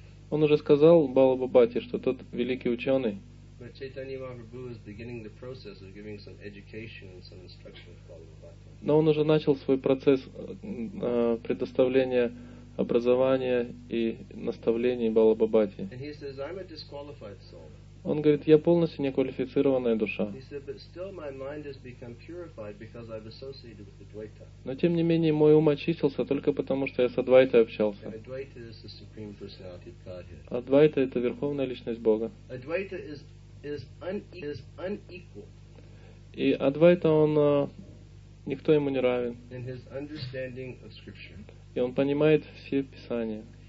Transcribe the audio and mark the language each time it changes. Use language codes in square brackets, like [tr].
[ru] Он уже сказал Балабхабате, что тот великий ученый. [en] But Chaitanya Mahaprabhu is beginning the process of giving some education and some instruction to Balabhata. [ru] Но он уже начал свой процесс предоставления образования и наставлений Балабхабате. [en] And he says, I'm a disqualified soul. [ru] Он говорит: «Я полностью неквалифицированная душа». [en] He said, but still my mind has become purified because I've associated with the Dvaita. [ru] Но тем не менее мой ум очистился только потому, что я с Адвайтой общался. [en] And Advaita is the supreme personality of Godhead. [ru] Адвайта — это Верховная Личность Бога. [en] Advaita is unequal. [ru] И Адвайта, он никто ему не равен. [en] In his understanding of scripture. [ru] И он понимает все Писания.